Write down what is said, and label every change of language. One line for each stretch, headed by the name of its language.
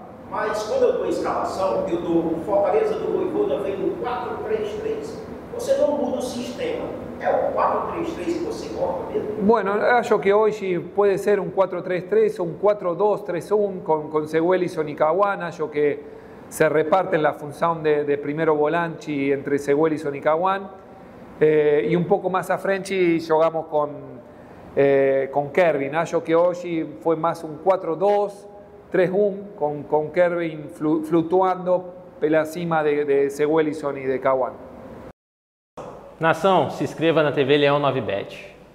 Portuguese: Mas quando eu dou a escalação, eu dou o Fortaleza do Voivoda vem no 4-3-3. Você não muda o sistema. É o 4-3-3 que você gosta mesmo?
Spanish: Bueno,
Portuguese: acho que hoje pode ser um 4-3-3 ou um 4-2-3-1 com Seguel e Sonicawan. Acho que
Spanish: se reparten la función de primero volante entre Seguel y Sonicawan. Y un poco más a frente jugamos con Kervin.
Portuguese: Acho que
Spanish: hoy fue más un 4-2-3-1 con Kervin
Portuguese: flutuando pela cima de
Spanish: Seguel y Sonicawan.
Portuguese: Nação, se inscreva na TV Leão 9 Bet.